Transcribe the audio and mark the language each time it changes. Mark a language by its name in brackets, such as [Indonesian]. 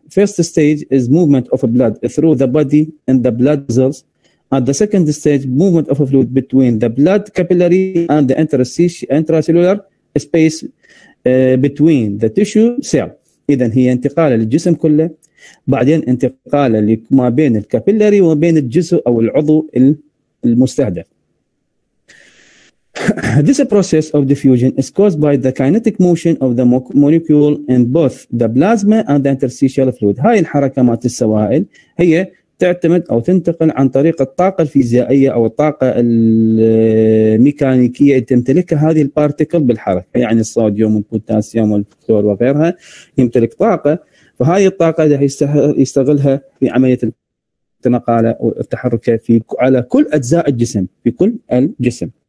[English] First stage is movement of blood through the body in the blood vessels, and the second stage movement of fluid between the blood capillary and the intracellular space between the tissue cell. [Arabic] اذا هي انتقال للجسم كله، بعدين انتقال ما بين الكابيلاري وبين الجزء او العضو المستهدف. [English] This process of diffusion is caused by the kinetic motion of the molecule in both the plasma and the interstitial fluid. [Arabic] هاي الحركة مات السوائل هي تعتمد أو تنتقل عن طريق الطاقة الفيزيائية أو الطاقة الميكانيكية التي تمتلكها هذه البارتيكل بالحركة، يعني الصوديوم والبوتاسيوم والفلور وغيرها يمتلك طاقة، فهاي الطاقة يستغلها في عملية التنقالة والتحركة في على كل أجزاء الجسم، في كل الجسم.